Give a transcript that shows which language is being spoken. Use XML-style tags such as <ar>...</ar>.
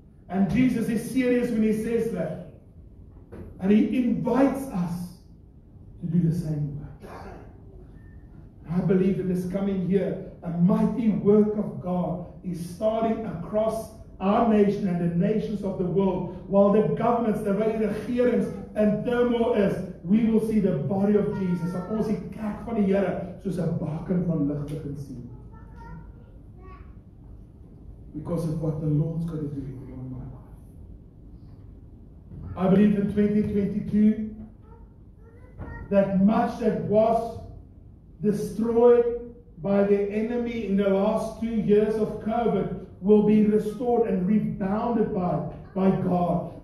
<en>And Jesus is serious when He says that. And He invites us to do the same work. I believe in this coming year, a mighty work of God is starting across our nation and the nations of the world. While the governments, the regerings and turmoil is, we will see the body of Jesus.</en> <af>Ek ons die kerk van die Here soos 'n baken van lig begin sien.</af> <en>Because of what the Lord's going to do in my life. I believe in 2022 that much that was destroyed by the enemy in the last 2 years of COVID will be restored and rebounded by God.</en>